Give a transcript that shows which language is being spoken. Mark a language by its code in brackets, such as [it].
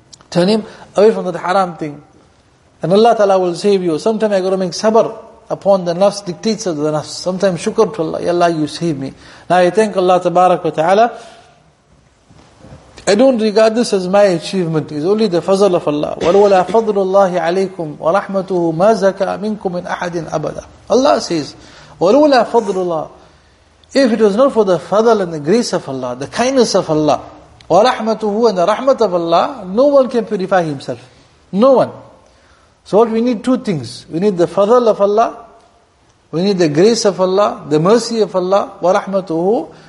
[en] Turn him away from that haram thing. And Allah ta'ala will save you. Sometimes I got to make sabr upon the nafs, dictates of the nafs. Sometimes shukr to Allah. Ya Allah, you save me. Now I thank Allah tabarak wa ta'ala. I don't regard this as my achievement. It's only the fazl of Allah. [ar] وَلَوَلَا فَضْلُ اللَّهِ عَلَيْكُمْ وَرَحْمَتُهُ مَا زَكَى مِنْكُمْ مِنْ أَحَدٍ أَبَدًا. [en] Allah says, [ar] وَلَوَلَا فَضْلُ اللَّهِ. [en] If it was not for the fazl and the grace of Allah, the kindness of Allah, وَرَحْمَتُهُ and the rahmat of Allah, no one can purify himself. No one. So what we need, two things. We need the fazl of Allah. We need the grace of Allah, the mercy of Allah, وَرَحْمَتُهُ.